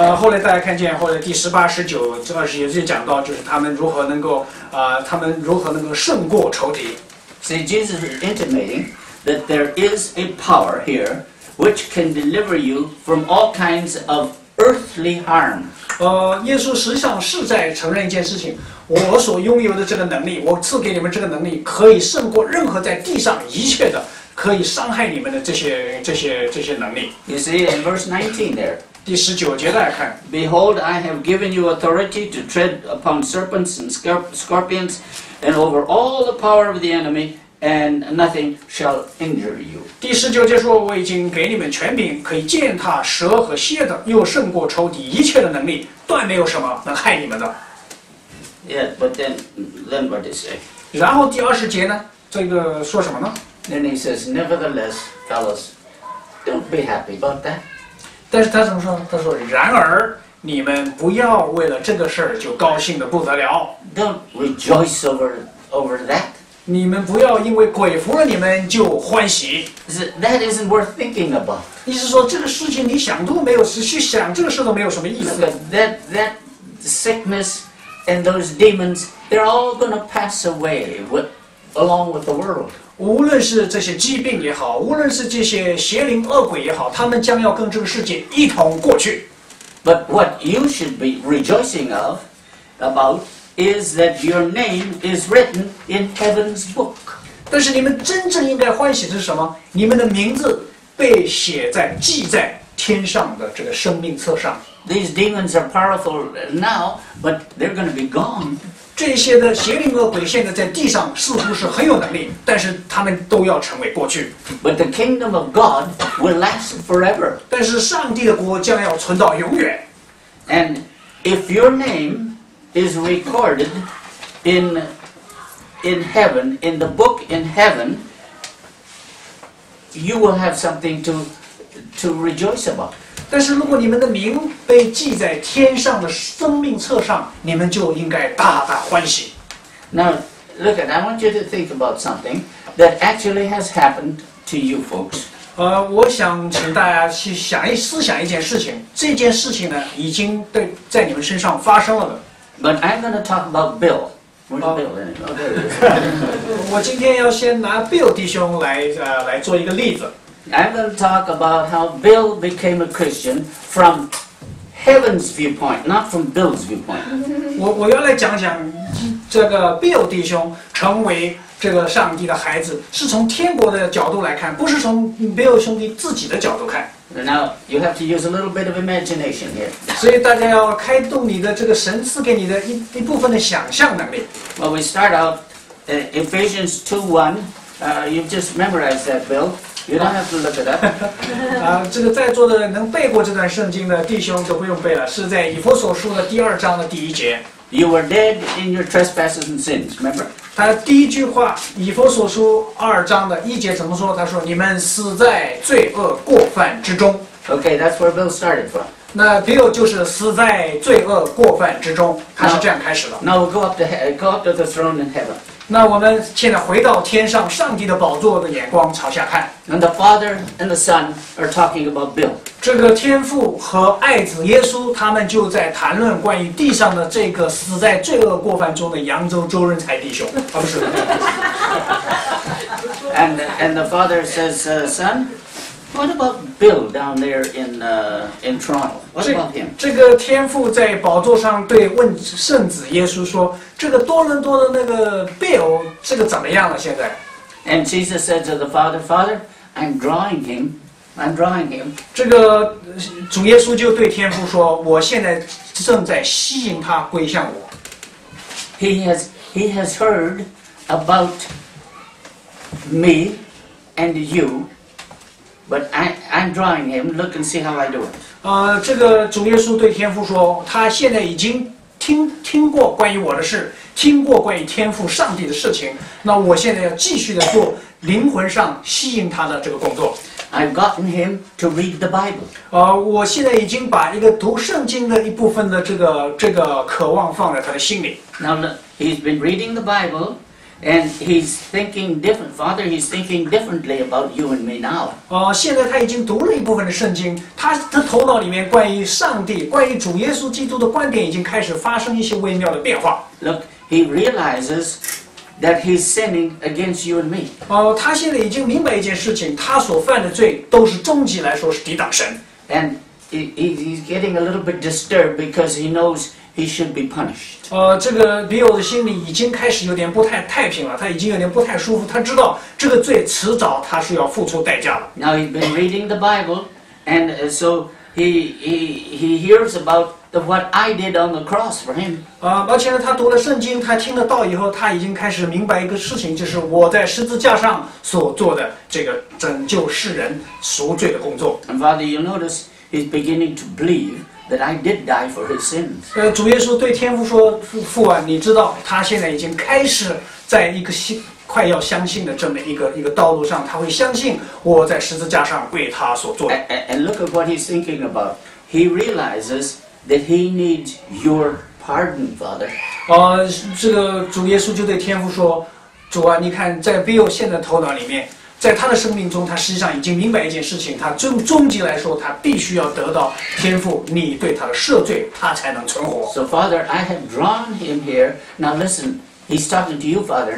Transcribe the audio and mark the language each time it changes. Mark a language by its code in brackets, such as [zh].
[zh] 后来大家看见，或者第十八、十九、二十节讲到，就是他们如何能够，他们如何能够胜过仇敌。 [en] See, Jesus is intimating that there is a power here which can deliver you from all kinds of earthly harm. [zh] 耶稣实际上是在承认一件事情。我所拥有的这个能力，我赐给你们这个能力，可以胜过任何在地上一切的可以伤害你们的这些能力。 [en] You see in verse 19 there. [zh] 第十九节来看。 [en] Behold, I have given you authority to tread upon serpents and scorpions, and over all the power of the enemy, and nothing shall injure you. [zh] 第十九节说，我已经给你们权柄，可以践踏蛇和蝎的，又胜过仇敌一切的能力，断没有什么能害你们的。 [en] Yeah, but then what does he say? [zh] 然后第二十节呢？这个说什么呢 [en] ？Then he says, nevertheless, fellows, don't be happy about that. [zh] 但是他怎么说？他说，然而你们不要为了这个事儿就高兴的不得了。 [en] Don't rejoice over that. [zh] 你们不要因为鬼服了你们就欢喜。 [en] That isn't worth thinking about. [zh] 意思说这个事情你想都没有，去想这个事都没有什么意思。 [en] That sickness. And those demons, they're all going to pass away along with the world. [zh] 无论是这些疾病也好，无论是这些邪灵恶鬼也好，他们将要跟这个世界一同过去。 [en] But what you should be rejoicing about is that your name is written in heaven's book. [zh] 但是你们真正应该欢喜的是什么？你们的名字被写在记在天上的这个生命册上。 [en] These demons are powerful now, but they're going to be gone. [zh] 这些的邪灵恶鬼现在在地上似乎是很有能力，但是他们都要成为过去。 [en] But the kingdom of God will last forever. [zh] 但是上帝的国将要存到永远。 [en] And if your name is recorded in heaven, in the book in heaven, you will have something to rejoice about. [zh] 但是如果你们的名被记在天上的生命册上，你们就应该大大欢喜。 [en] Now, look at, I want you to think about something that actually has happened to you folks. [zh] 我想请大家去思想一件事情，这件事情呢，已经在你们身上发生了的。 [en] But I'm going to talk about Bill. Where's Bill anyway? Oh, there it is. [zh] 我今天要先拿 Bill 弟兄来做一个例子。 [en] I'm going to talk about how Bill became a Christian from heaven's viewpoint, not from Bill's viewpoint. [zh] 我要来讲讲这个 Bill 弟兄成为这个上帝的孩子，是从天国的角度来看，不是从 Bill 兄弟自己的角度看。 [en] Now you have to use a little bit of imagination here. [zh] 所以大家要开动你的这个神赐给你的一部分的想象能力。 [en] Well, we start out Ephesians 2:1. You've just memorized that, Bill. You don't have to look it up. [zh] 这个在座的能背过这段圣经的弟兄都不用背了，是在以弗所书的第二章的第一节。 [en] You were dead in your trespasses and sins. Remember. [zh] 他第一句话，以弗所书二章的一节怎么说？他说：“你们死在罪恶过犯之中。” [en] Okay, that's where Bill started from. [zh] 那 Bill 就是死在罪恶过犯之中，他是这样开始的。 [en] Now we'll go up to the throne in heaven. [zh] 那我们现在回到天上，上帝的宝座的眼光朝下看。 [en] And the Father and the Son are talking about Bill. [zh] 这个天父和爱子耶稣，他们就在谈论关于地上的这个死在罪恶过犯中的扬州周润才弟兄。不是。 [en] And the Father says, Son, what about Bill down there in Toronto? What about him? [zh] 这个天父在宝座上对问圣子耶稣说。这个多伦多的那个 Bill 这个怎么样了现在 [en] And Jesus said to the Father, Father, I'm drawing him. I'm drawing him. [zh] 这个主耶稣就对天父说我现在正在吸引他归向我。 [en] He has heard about me and you, but I'm drawing him. Look and see how I do it. [zh] 这个主耶稣对天父说他现在已经听过关于我的事，听过关于天父上帝的事情。那我现在要继续的做灵魂上吸引他的这个工作。 [en] I've gotten him to read the Bible. [zh] 我现在已经把一个读圣经的一部分的这个渴望放在他的心里。 [en] Now he's been reading the Bible, And he's thinking different. Father, he's thinking differently about you and me now. [zh] 现在他已经读了一部分的圣经，他头脑里面关于上帝、关于主耶稣基督的观点已经开始发生一些微妙的变化。 [en] Look, he realizes that he's sinning against you and me. [zh] 他现在已经明白一件事情，他所犯的罪都是终极来说是抵挡神。 [en] And he's getting a little bit disturbed because he knows. He should be punished. [zh] 这个 Bill 的心里已经开始有点不太平了，他已经有点不太舒服，他知道这个罪迟早他是要付出代价的。 [en] Now he's been reading the Bible, and so he hears about the what I did on the cross for him. [zh] 而且呢，他读了圣经，他听了道以后，他已经开始明白一个事情，就是我在十字架上所做的这个拯救世人赎罪的工作。 [en] And Father, you notice he's beginning to believe. That I did die for his sins. [zh] 主耶稣对天父说：“父啊，你知道他现在已经开始在一个快要相信的这么一个道路上，他会相信我在十字架上为他所做的。 [en] ”And look at what he's thinking about. He realizes that he needs your pardon, Father. [zh] 这个主耶稣就对天父说：“主啊，你看，在 Bill 现在头脑里面。” 在他的生命中，他实际上已经明白一件事情，他终极来说，他必须要得到天父你对他的赦罪，他才能存活。 [en] So Father, I have drawn him here. Now listen, he's talking to you, Father.